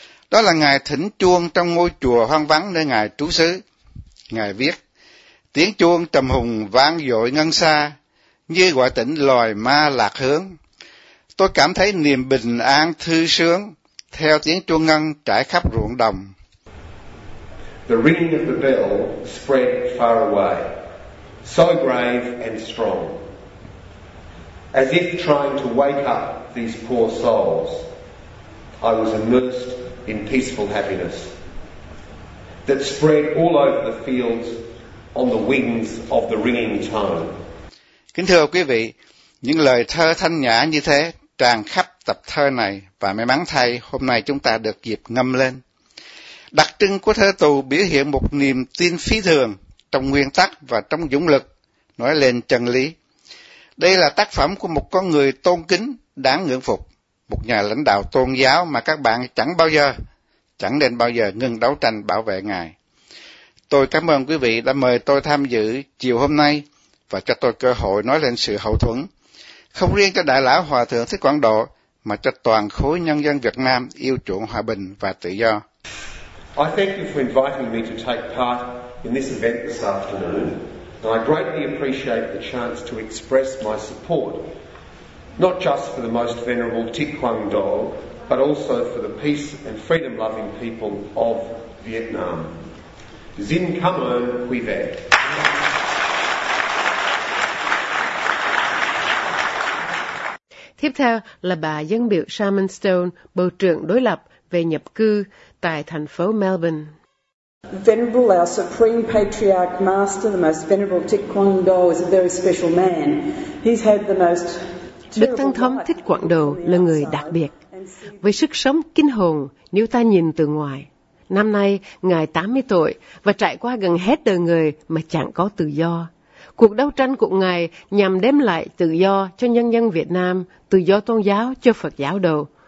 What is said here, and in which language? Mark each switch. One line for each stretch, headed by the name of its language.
Vietnamese: Đó là Ngài thỉnh chuông trong ngôi chùa hoang vắng nơi Ngài trú xứ. Ngài viết, tiếng chuông trầm hùng vang dội ngân xa, như gọi tỉnh loài ma lạc hướng. Tôi cảm thấy niềm bình an thư sướng, theo tiếng chuông ngân trải khắp ruộng đồng.
English: The ringing of the bell spread far away, so grave and strong, as if trying to wake up these poor souls, I was immersed in peaceful happiness that spread all over the fields on the wings of the ringing tone.
Vietnamese: Kính thưa quý vị, những lời thơ thanh nhã như thế tràn khắp tập thơ này, và may mắn thay hôm nay chúng ta được dịp ngâm lên. Đặc trưng của thơ Tù biểu hiện một niềm tin phi thường trong nguyên tắc và trong dũng lực, nói lên chân lý. Đây là tác phẩm của một con người tôn kính, đáng ngưỡng phục, một nhà lãnh đạo tôn giáo mà các bạn chẳng nên bao giờ ngừng đấu tranh bảo vệ Ngài. Tôi cảm ơn quý vị đã mời tôi tham dự chiều hôm nay và cho tôi cơ hội nói lên sự hậu thuẫn, không riêng cho Đại Lão Hòa Thượng Thích Quảng Độ, mà cho toàn khối nhân dân Việt Nam yêu chuộng hòa bình và tự do.
English: I thank you for inviting me to take part in this event this afternoon, and I greatly appreciate the chance to express my support, not just for the most venerable Thich Quang Do, but also for the peace and freedom-loving people of Vietnam.
Vietnamese: Xin cảm ơn quý vị. Tiếp theo là bà dân biểu Sharman Stone, bộ trưởng đối lập về nhập cư tại thành phố Melbourne.
English: Venerable, our Supreme Patriarch Master, the most venerable Thich Quang Do, is a very special man. He's had the most terrible.
Vietnamese: Đức Tăng Thống Thích Quảng Độ là người đặc biệt. Với sức sống kinh hồn, nếu ta nhìn từ ngoài, năm nay ngài 80 tuổi và trải qua gần hết đời người mà chẳng có tự do. Cuộc đấu tranh của Ngài nhằm đem lại tự do cho nhân dân Việt Nam, tự do tôn giáo cho Phật giáo đồ.